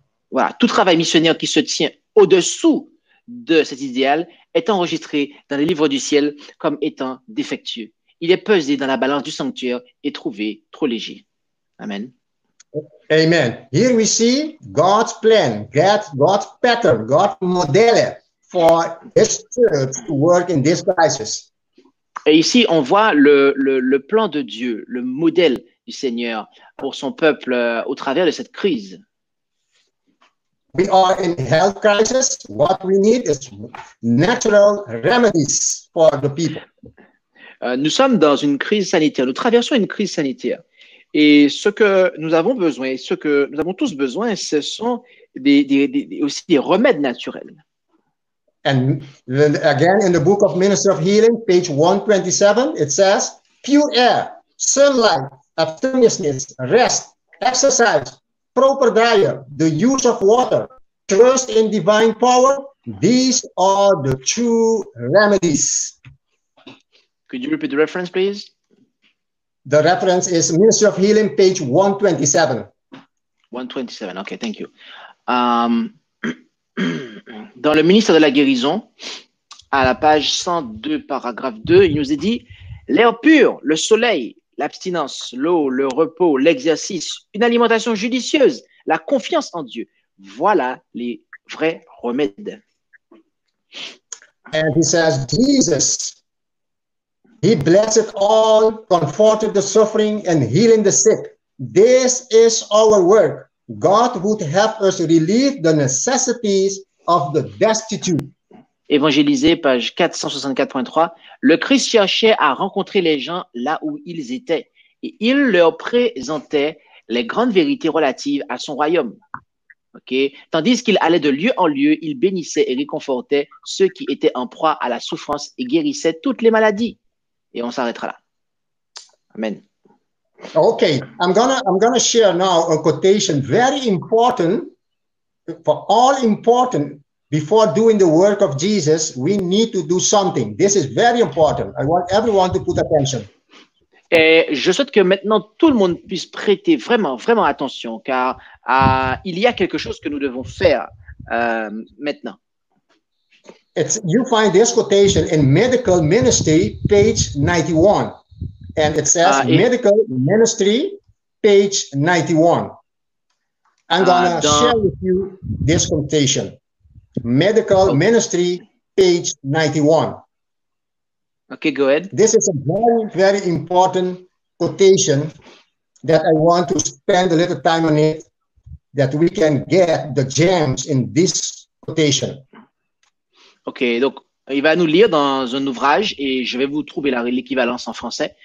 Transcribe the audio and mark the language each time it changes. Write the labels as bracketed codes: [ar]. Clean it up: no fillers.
[fr] Voilà. Tout travail missionnaire qui se tient au-dessous de cet idéal est enregistré dans les livres du ciel comme étant défectueux. Il est pesé dans la balance du sanctuaire et trouvé trop léger. Amen. Amen. [en] Here we see God's plan, God's pattern, God's model for his church to work in this crisis. [fr] Et ici, on voit le plan de Dieu, le modèle du Seigneur pour son peuple au travers de cette crise. [en] We are in health crisis. What we need is natural remedies for the people. [fr] Nous sommes dans une crise sanitaire. Nous traversons une crise sanitaire. Et ce que nous avons besoin, ce que nous avons tous besoin, ce sont aussi des remèdes naturels. [en] And again, in the book of Ministry of Healing, page 127, it says, pure air, sunlight, abstemiousness, rest, exercise, proper diet, the use of water, trust in divine power, these are the true remedies. Could you repeat the reference, please? The reference is Ministry of Healing, page 127. 127, okay, thank you. [fr] Dans le ministère de la guérison, à la page 102, paragraphe 2, il nous est dit « L'air pur, le soleil, l'abstinence, l'eau, le repos, l'exercice, une alimentation judicieuse, la confiance en Dieu. Voilà les vrais remèdes. » [en] And he says, Jesus, he blessed all, comforted the suffering and healing the sick. This is our work. God would help us relieve the necessities of the destitute. [fr] Évangélisé, page 464.3. Le Christ cherchait à rencontrer les gens là où ils étaient et il leur présentait les grandes vérités relatives à son royaume. [en] Okay? [fr] Tandis qu'il allait de lieu en lieu, il bénissait et réconfortait ceux qui étaient en proie à la souffrance et guérissait toutes les maladies. Et on s'arrêtera là. Amen. [en] Okay, I'm gonna share now a quotation very important. For all important, before doing the work of Jesus, we need to do something. This is very important. I want everyone to put attention. [fr] Et je souhaite que maintenant tout le monde puisse prêter vraiment, vraiment attention, car il y a quelque chose que nous devons faire maintenant. [en] It's, you find this quotation in Medical Ministry, page 91. And it says Medical Ministry, page 91. I'm going to share with you this quotation. Medical Ministry, page 91. Okay, go ahead. This is a very, very important quotation that I want to spend a little time on it, that we can get the gems in this quotation. [fr] Okay, donc, il va nous lire dans un ouvrage et je vais vous trouver l'équivalence en français.